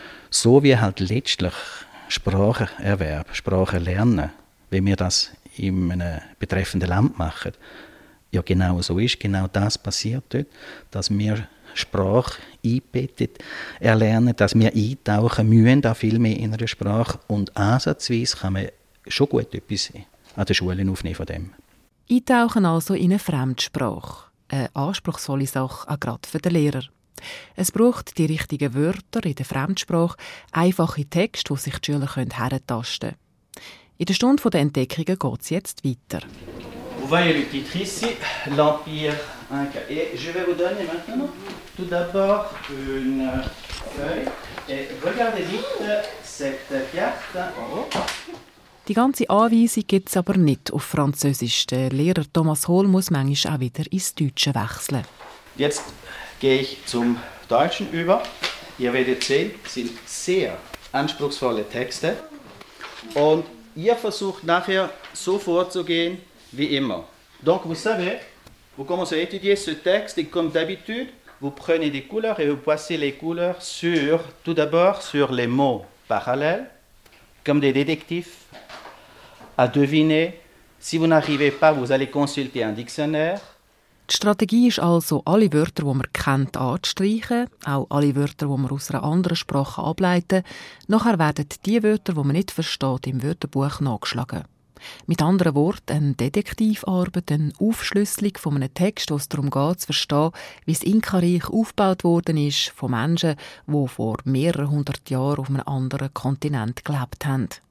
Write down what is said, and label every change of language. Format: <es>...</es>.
<de>So wie halt letztlich Spracherwerb, Sprachenlernen, wie wir das in einem betreffenden Land machen, ja genau so ist, genau das passiert dort, dass wir Sprache einbettet erlernen, dass wir eintauchen müssen, da viel mehr in einer Sprache und ansatzweise kann man schon gut etwas an der Schule aufnehmen von dem. Eintauchen also in eine Fremdsprache, eine anspruchsvolle Sache auch gerade für den Lehrer. Es braucht die richtigen Wörter in der Fremdsprache, einfache Texte, wo sich die Schüler herentasten können. In der Stunde der Entdeckungen geht es jetzt weiter.</de> <fr>Vous voyez le titre ici, l'Empire Inca. Et je vais vous donner maintenant tout d'abord une feuille. Et regardez vite cette carte.</fr> <de>Die ganze Anweisung gibt es aber nicht auf Französisch. Der Lehrer Thomas Hohl muss manchmal auch wieder ins Deutsche wechseln. Jetzt gehe ich zum Deutschen über. Ihr werdet sehen, sind sehr anspruchsvolle Texte. Und ihr versucht nachher so vorzugehen wie immer.</de> <fr>Donc vous savez, vous commencez à étudier ce texte et comme d'habitude, vous prenez des couleurs et vous passez les couleurs sur, tout d'abord sur les mots parallèles, comme des détectives, à deviner. Si vous n'arrivez pas, vous allez consulter un dictionnaire.</fr> <de>Die Strategie ist also, alle Wörter, die man kennt, anzustreichen, auch alle Wörter, die man aus einer anderen Sprache ableiten. Nachher werden die Wörter, die man nicht versteht, im Wörterbuch nachgeschlagen. Mit anderen Worten, eine Detektivarbeit, eine Aufschlüsselung von einem Text, wo es darum geht, zu verstehen, wie das Inka-Reich aufgebaut worden ist von Menschen, die vor mehreren hundert Jahren auf einem anderen Kontinent gelebt haben.</de>